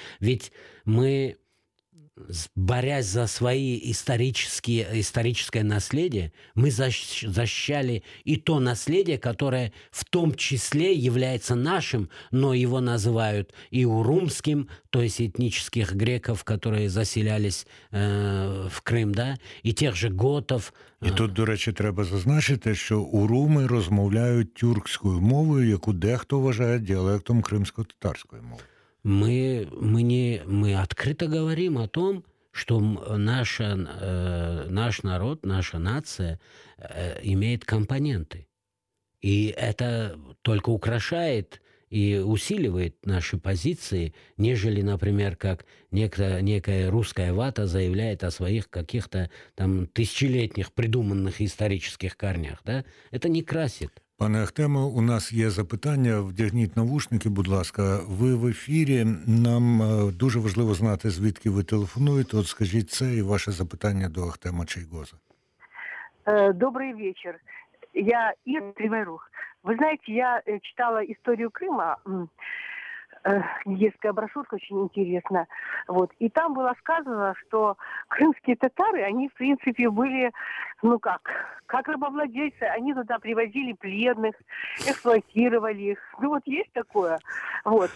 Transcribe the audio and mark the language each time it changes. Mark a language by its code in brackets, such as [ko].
[ru] Ведь мы, борясь за свои исторические, историческое наследие, мы защищали и то наследие, которое в том числе является нашим, но его называют и урумским, то есть этнических греков, которые заселялись в Крым, да, и тех же готов. [uk] І тут, до речі, треба зазначити, що урумы розмовляють тюркською мовою, яку дехто вважає діалектом кримсько-татарської мови. [ru] Мы открыто говорим о том, что наш народ, наша нация имеет компоненты. И это только украшает и усиливает наши позиции, нежели, например, как некая русская вата заявляет о своих каких-то там тысячелетних придуманных исторических корнях. Да? Это не красит. [uk] Пане Ахтемо, у нас є запитання, вдягніть навушники, будь ласка. Ви в ефірі, нам дуже важливо знати, звідки ви телефонуєте. От скажіть це і ваше запитання до Ахтема Чайгоза. Добрий вечір. Я Ір Тримайрух. Ви знаєте, я читала історію Крима, єврейська брошурка, дуже цікава. Вот. І там було сказано, що кримські татари, вони, в принципі, були... [ru] Ну как? Как рабовладельцы, они туда привозили пленных, эксплуатировали их. Ну вот есть такое. Вот.